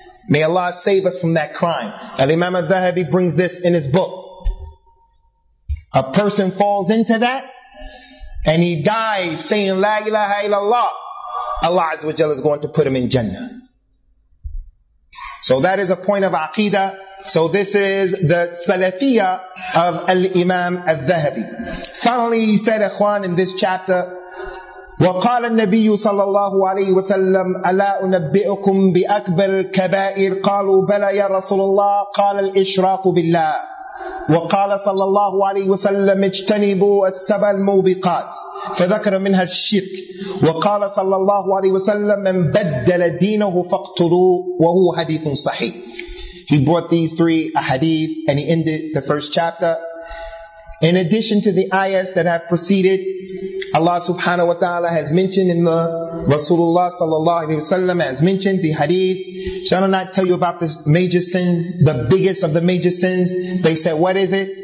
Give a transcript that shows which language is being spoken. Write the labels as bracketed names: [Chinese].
[English] May Allah save us from that crime. Al-Imam al-Dhahabi brings this in his book. A person falls into that and he dies saying la ilaha illallah, Allah Azza wa Jalla is going to put him in Jannah. So that is a point of aqidah. So this is the salafiyya of al-Imam al-Dhahabi. Finally, he said, ikhwan, in this chapter, [Arabic] وَقَالَ النَّبِيُّ صَلَّى اللَّهُ عَلَيْهِ وَسَلَّمْ أَلَا أُنَبِّئُكُمْ بِأَكْبَرِ الْكَبَائِرِ قَالُوا بَلَا يَا رَسُولَ اللَّهِ قَالَ الْإِشْرَاقُ بِاللَّهِ وقال صلى الله عليه وسلم اجتنبوا السبع الموبقات فذكر منها الشرك وقال صلى الله عليه وسلم من بدل دينه فاقتلوه وهو حديث صحيح. [English] He brought these three hadith and he ended the first chapter. In addition to the ayahs that have preceded, Allah subhanahu wa ta'ala has mentioned in the Rasulullah sallallahu alayhi wa sallam has mentioned the hadith. Shall I not tell you about this major sins, the biggest of the major sins? They said, what is it?